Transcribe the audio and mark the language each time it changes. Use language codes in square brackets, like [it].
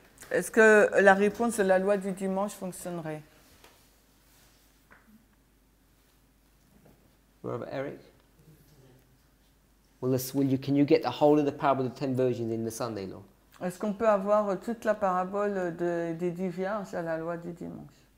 [fr] Est-ce que la réponse de la loi du dimanche fonctionnerait? [en] Robert Eric, can you get the whole of the parable of the ten virgins in the Sunday law? [fr] Est-ce qu'on peut avoir toute la parabole des dix vierges à la loi du dimanche?